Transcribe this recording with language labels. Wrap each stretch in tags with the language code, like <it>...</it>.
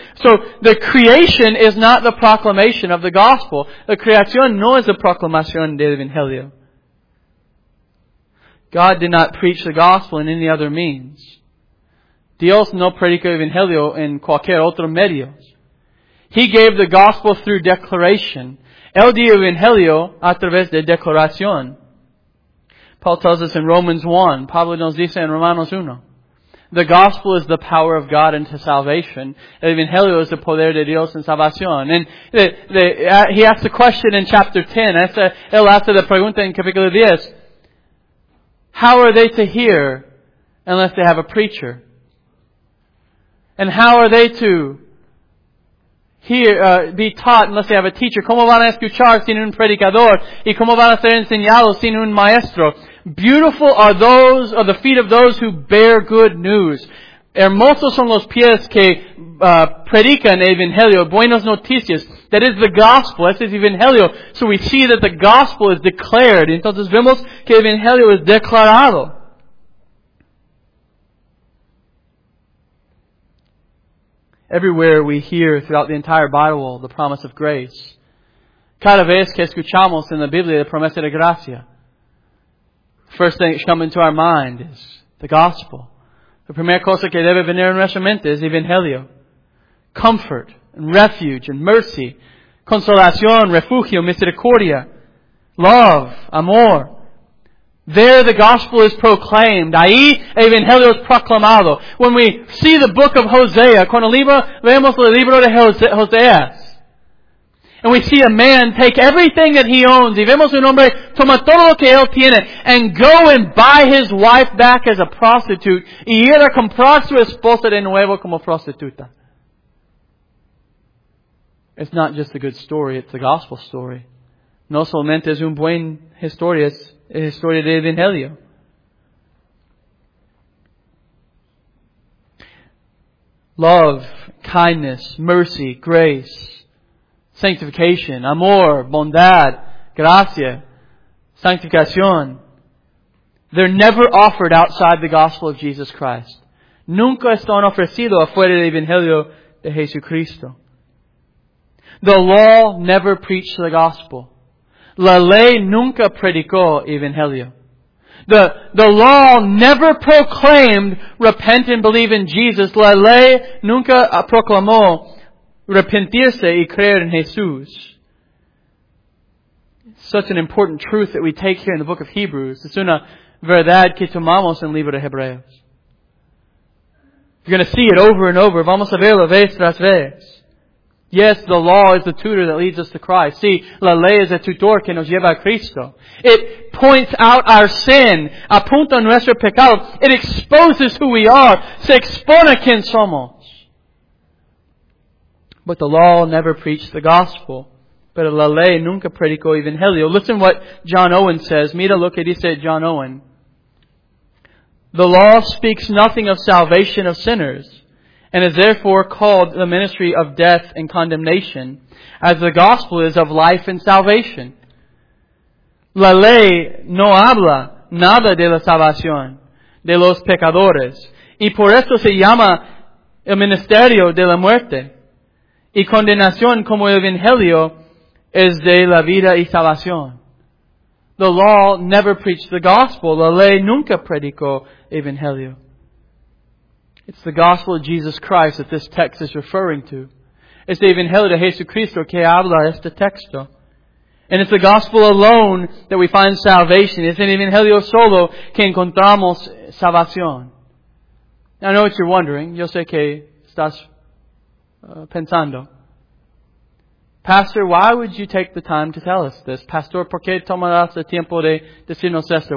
<en>So, the creation is not the proclamation of the gospel.</en> <es>La creación no es la proclamación del evangelio.</es> <en>God did not preach the gospel in any other means.</en> <es>Dios no predicó el evangelio en cualquier otro medio.</es> <en>He gave the gospel through declaration.</en> <es>El dio evangelio a través de declaración.</es> <en>Paul tells us in Romans 1,</en> <es>Pablo nos dice en Romanos 1,</es> <en>the gospel is the power of God unto salvation.</en> <es>El evangelio es el poder de Dios en salvación.</es> <en>And he asks the question in chapter 10.</en> <es>Él hace la pregunta en capítulo 10.</es> <en>How are they to hear unless they have a preacher? And how are they to be taught unless they have a teacher?</en> <es>¿Cómo van a escuchar sin un predicador? ¿Y cómo van a ser enseñados sin un maestro?</es> <en>Beautiful are those, are the feet of those who bear good news.</en> <es>Hermosos son los pies que predican el evangelio. Buenas noticias.</es> <en>That is the gospel.</en> <es>Ese es el evangelio.</es> <en>So we see that the gospel is declared.</en> <es>Entonces vemos que el evangelio es declarado.</es> <en>Everywhere we hear throughout the entire Bible the promise of grace.</en> <es>Cada vez que escuchamos en la Biblia la promesa de gracia.</es> <en>First thing that should come into our mind is the gospel.</en> <es>La primera cosa que debe venir en nuestra mente es evangelio.</es> <en>Comfort and refuge and mercy.</en> <es>Consolación, refugio, misericordia.</es> <en>Love, amor. There the gospel is proclaimed.</en> <es>Ahí evangelio es proclamado.</es> <en>When we see the book of Hosea,</en> <es>cuando leemos el libro de Hosea,</es> <en>and we see a man take everything that he owns.</en> <es>Y vemos un hombre toma todo lo que él tiene</es> <en>and go and buy his wife back as a prostitute</en> <es>y ir a comprar su esposa de nuevo como prostituta.</es> <en>It's not just a good story, it's a gospel story.</en> <es>No solamente es un buen historia, es la historia del evangelio.</es> <en>Love, kindness, mercy, grace, sanctification,</en> <es>amor, bondad, gracia, sanctificación.</es> <en>They're never offered outside the gospel of Jesus Christ.</en> <es>Nunca están ofrecidos afuera del evangelio de Jesucristo.</es> <en>The law never preached the gospel.</en> <es>La ley nunca predicó evangelio.</es> <en>The law never proclaimed repent and believe in Jesus.</en> <es>La ley nunca proclamó arrepentirse y creer en Jesús.</es> <en>Such an important truth that we take here in the book of Hebrews.</en> <es>Es una verdad que tomamos en el libro de Hebreos.</es> <en>You're going to see it over and over.</en> <es>Vamos a verlo vez tras vez.</es> <en>Yes, the law is the tutor that leads us to Christ.</en> <es>Sí, la ley es el tutor que nos lleva a Cristo.</es> <en>It points out our sin.</en> <es>Apunta nuestro pecado.</es> <en>It exposes who we are.</en> <es>Se expone quién somos.</es> <en>But the law never preached the gospel.</en> <es>Pero la ley nunca predicó evangelio.</es> <en>Listen what John Owen says.</en> <es>Mira lo que dice John Owen.</es> <en>The law speaks nothing of salvation of sinners and is therefore called the ministry of death and condemnation as the gospel is of life and salvation.</en> <es>La ley no habla nada de la salvación de los pecadores. Y por esto se llama el ministerio de la muerte. Y condenación como el evangelio es de la vida y salvación.</es> <en>The law never preached the gospel.</en> <es>La ley nunca predicó evangelio.</es> <en>It's the gospel of Jesus Christ that this text is referring to. It's the</en> <es>evangelio de Jesucristo que habla este texto.</es> <en>And it's the gospel alone that we find salvation. It's in</en> <es>evangelio solo que encontramos salvación.</es> <en>I know what you're wondering.</en> <es>Yo sé que estás pensando.</es> <en>Pastor, why would you take the time to tell us this?</en> <es>Pastor, ¿por qué tomarás el tiempo de decirnos esto?</es>